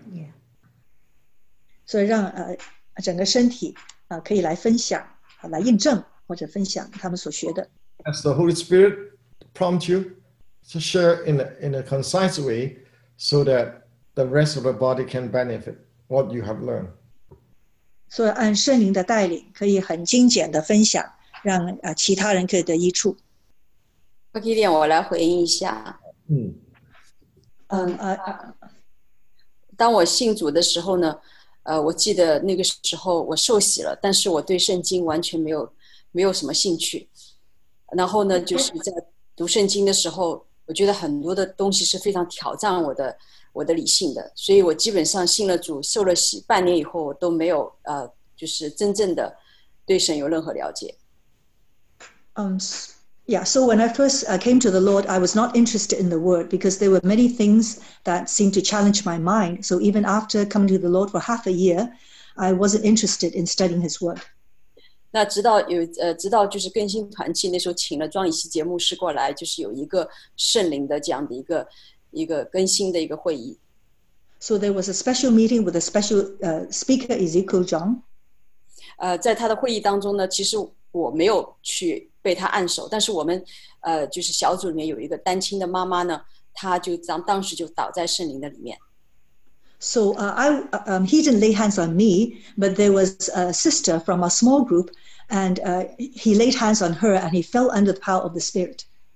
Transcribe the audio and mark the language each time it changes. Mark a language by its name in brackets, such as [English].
[English] Yeah. [Chinese] 所以让整个身体可以来分享，来印证或者分享他们所学的。 [English] As the Holy Spirit prompts you to share in a concise way so that the rest of the body can benefit what you have learned. [Chinese] So, 按圣灵的带领可以很精简的分享让其他人可以得益处。 Okay, Gideon, 我来回应一下。当我信主的时候呢我记得那个时候我受洗了但是我对圣经完全没有什么兴趣。然后呢就是在读圣经的时候我觉得很多的东西是非常挑战我的理性的所以我基本上信了主受了洗半年以后我都没有就是真正的对神有任何了解。 [English] So when I first came to the Lord, I was not interested in the word because there were many things that seemed to challenge my mind. So even after coming to the Lord for half a year, I wasn't interested in studying his word. [Chinese] 那直到就是更新团契那时候请了庄以西杰牧师过来，就是有一个圣灵的这样的一个更新的一个会议。 [English] So there was a special meeting with a special speaker Ezekiel John. [Chinese] 在他的会议当中呢，其实我没有去被他按手，但是我们就是小组里面有一个单亲的妈妈呢，她就当时就倒在圣灵的里面。 [English] So he didn't lay hands on me, but there was a sister from a small group, and he laid hands on her, and he fell under the power of the Spirit.